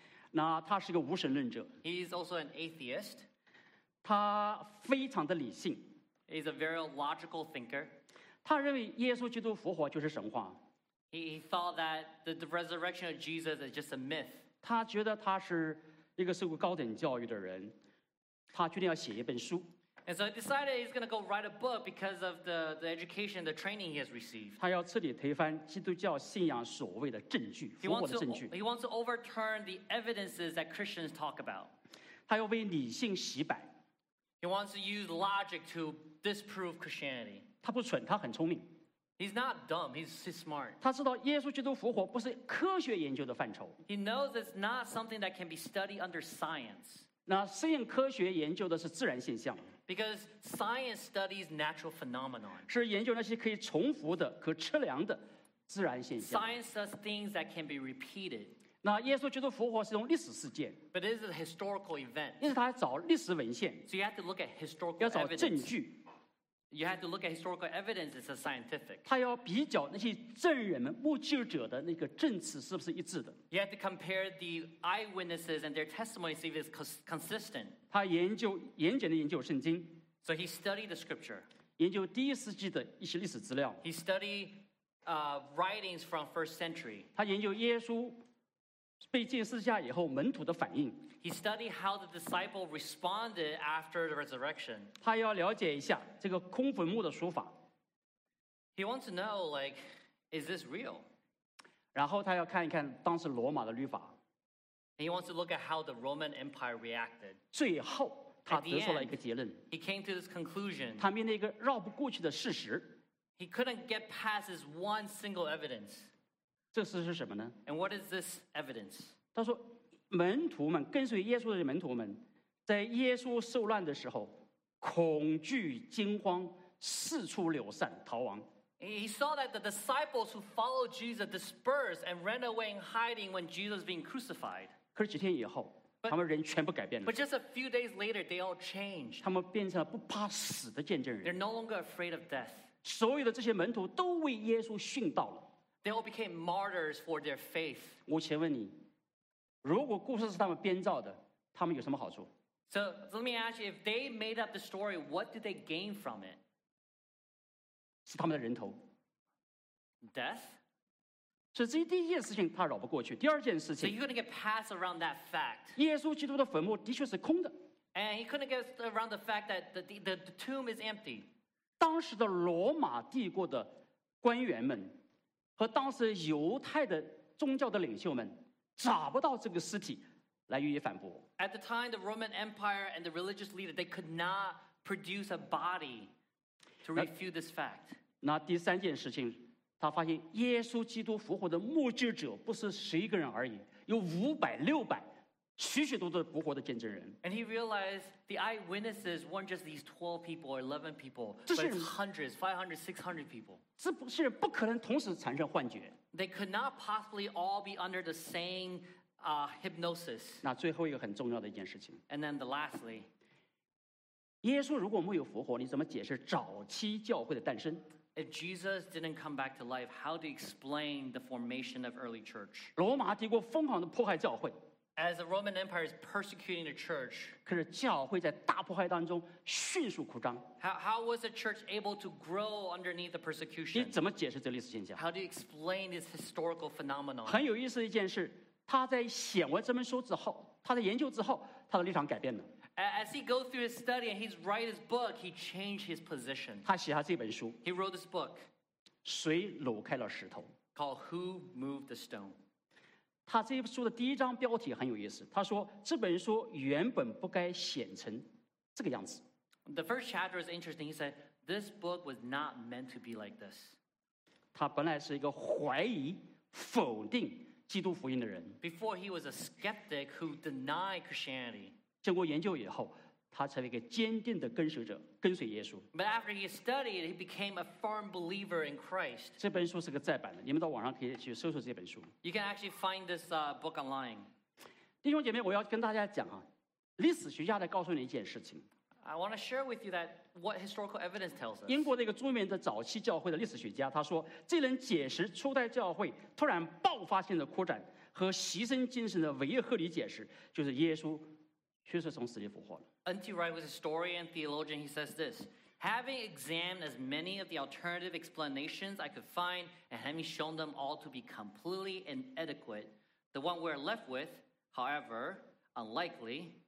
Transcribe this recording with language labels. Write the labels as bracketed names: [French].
[Chinese] 那他是一个无神论者。 [English] He's also an atheist. [Chinese] 他非常的理性。 [English] He's a very logical thinker. [Chinese] 他认为耶稣基督复活就是神话。 [English] He thought that the resurrection of Jesus is just a myth. [Chinese] 他觉得他是一个受过高等教育的人，他决定要写一本书。 [English] And so he decided he's going to go write a book because of the education, the training he has received. [Chinese] 他要彻底推翻基督教信仰所谓的证据，复活的证据。 [English] He wants to overturn the evidences that Christians talk about. [Chinese] 他要为理性洗白。 [English] He wants to use logic to disprove Christianity. [Chinese] 他不蠢，他很聪明。 [English] He's not dumb, he's smart. [Chinese] 他知道耶稣基督复活不是科学研究的范畴。 [English] He knows it's not something that can be studied under science. [Chinese] 那适应科学研究的是自然现象。 [English] Because science studies natural phenomenon. [Chinese] 是研究那些可以重复的、可测量的自然现象。 [English] Science does things that can be repeated. [Chinese] 那耶稣基督复活是一种历史事件。 [English] But it is a historical event. [Chinese] 因此他要找历史文献。 [English] So you have to look at historical evidence. [Chinese] 要找证据。 [English] You have to look at historical evidence. It's a scientific. [Chinese] 他要比较那些证人们、目击者的那个证词是不是一致的。 [English] You have to compare the eyewitnesses and their testimony to see if it's consistent. [Chinese] 他研究严谨的研究圣经。 [English] So he studied the scripture. [Chinese] 研究第一世纪的一些历史资料。 [English] He studied writings from first century. [Chinese] 他研究耶稣被钉十字架以后门徒的反应。 [English] He studied how the disciple responded after the resurrection. [Chinese] 他要了解一下这个空坟墓的说法。 [English] He wants to know, like, is this real? [Chinese] 然后他要看一看当时罗马的律法。 [English] He wants to look at how the Roman Empire reacted. [Chinese] 最后他得出了一个结论。 [English] He came to this conclusion. [Chinese] 他面对一个绕不过去的事实。 [English] He couldn't get past this one single evidence. [Chinese] 这事是什么呢？ [English] And what is this evidence? [Chinese] 他说，门徒们跟随耶稣的门徒们，在耶稣受难的时候，恐惧惊慌，四处流散逃亡。 [English] He saw that the disciples who followed Jesus dispersed and ran away in hiding when Jesus being crucified. [Chinese] 可是几天以后，他们人全部改变了。 [English] But just a few days later, they all changed. [Chinese] 他们变成了不怕死的见证人。 [English] They're no longer afraid of death. [Chinese] 所有的这些门徒都为耶稣殉道了。 [English] They all became martyrs for their faith. [Chinese] 我请问你，如果故事是他们编造的，他们有什么好处？ [English] So let me ask you, if they made up the story, what did they gain from it? [Chinese] 是他们的人头。 [English] Death? [Chinese] 所以这第一件事情他绕不过去。第二件事情。 [English] So you couldn't get past around that fact. [Chinese] 耶稣基督的坟墓的确是空的。 [English] And he couldn't get around the fact that the tomb is empty. [Chinese] 当时的罗马帝国的官员们和当时犹太的宗教的领袖们找不到这个尸体来予以反驳。 [English] At the time, the Roman Empire and the religious leader, they could not produce a body to refute this fact. [Chinese] 那第三件事情，他发现耶稣基督复活的目击者不是十一个人而已，有五百、六百，许许多多复活的见证人。 [English] And he realized the eyewitnesses weren't just these 12 people or 11 people, but it's hundreds, 500, 600 people. [Chinese] 这些人不可能同时产生幻觉。 [English] They could not possibly all be under the same hypnosis. [Chinese] 那最后一个很重要的一件事情。 [English] And then lastly, [Chinese] 耶稣如果没有复活，你怎么解释早期教会的诞生？ [English] If Jesus didn't come back to life, how do you explain the formation of early church? [Chinese] 罗马帝国疯狂的迫害教会。 [English] As the Roman Empire is persecuting the church, [Chinese] 可是教会在大迫害当中迅速扩张。 [English] How was the church able to grow underneath the persecution? [Chinese] 你怎么解释这历史现象？ [English] How do you explain this historical phenomenon? [Chinese] 很有意思的一件事，他在写完这本书之后，他在研究之后，他的立场改变了。 [English] As he goes through his study and he's write his book, he changed his position. [Chinese] 他写下这本书。 [English] He wrote this book. [Chinese] 谁挪开了石头？ [English] Called Who Moved the Stone? [Chinese] 他这本书的第一章标题很有意思，他说这本书原本不该写成这个样子。 [English] The first chapter is interesting. He said this book was not meant to be like this. [Chinese] 他本来是一个怀疑、否定基督福音的人。 [English] Before he was a skeptic who denied Christianity. [Chinese] 经过研究以后，他成为一个坚定的跟随者，跟随耶稣。 [English] But after he studied, he became a firm believer in Christ. [Chinese] 这本书是个再版的，你们到网上可以去搜索这本书。 [English] You can actually find this book online. [Chinese] 弟兄姐妹，我要跟大家讲啊，历史学家在告诉你一件事情。 [English] I want to share with you that what historical evidence tells us. [Chinese] 英国的一个著名的早期教会的历史学家，他说，这能解释初代教会突然爆发性的扩展和牺牲精神的唯一合理解释，就是耶稣确实从死里复活了。 [English] N.T. Wright was a historian, theologian. He says this: Having examined as many of the alternative explanations I could find, and having shown them all to be completely inadequate, the one we're left with, however unlikely.